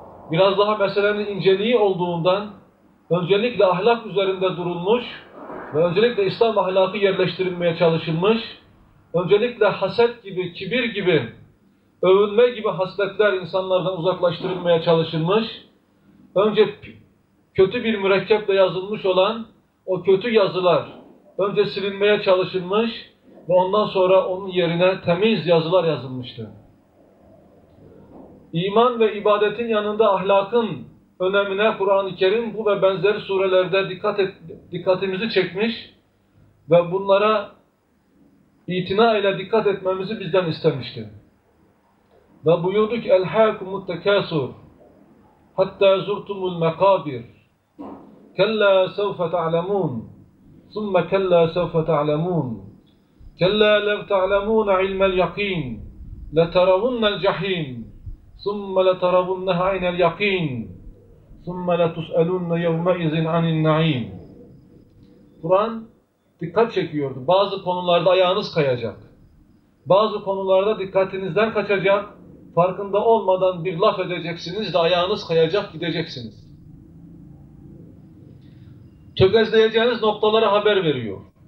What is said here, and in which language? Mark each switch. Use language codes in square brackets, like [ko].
[tr] biraz daha meselenin inceliği olduğundan öncelikle ahlak üzerinde durulmuş ve öncelikle İslam ahlakı yerleştirilmeye çalışılmış, öncelikle haset gibi, kibir gibi, övünme gibi hasletler insanlardan uzaklaştırılmaya çalışılmış, önce kötü bir mürekkeple yazılmış olan o kötü yazılar önce silinmeye çalışılmış ve ondan sonra onun yerine temiz yazılar yazılmıştı. İman ve ibadetin yanında ahlakın önemine Kur'an-ı Kerim bu ve benzeri surelerde dikkatimizi çekmiş ve bunlara itina ile dikkat etmemizi bizden istemişti. Ve buyurdu ki [ar] اَلْحَاكُمُ التَّكَاسُرُ حَتَّى زُرْتُمُ الْمَقَابِرِ كَلَّا سَوْفَ تَعْلَمُونَ ثُمَّ كَلَّا سَوْفَ تَعْلَمُونَ كَلَّا لَوْ تَعْلَمُونَ عِلْمَ الْيَقِينَ لَتَرَوُنَّ الْجَحِيمَ ثُمَّ لَتَرَوُنَّهَ عَيْنَ الْيَقِينَ ثُمَّ لَتُسْأَلُنَّ يَوْمَئِذٍ عَنِ النَّعِيمِ [tr] Kur'an dikkat çekiyordu. Bazı konularda ayağınız kayacak. Bazı konularda dikkatinizden kaçacak. Farkında olmadan bir laf edeceksiniz de ayağınız kayacak gideceksiniz. Tökezleyeceğiniz noktalara haber veriyor.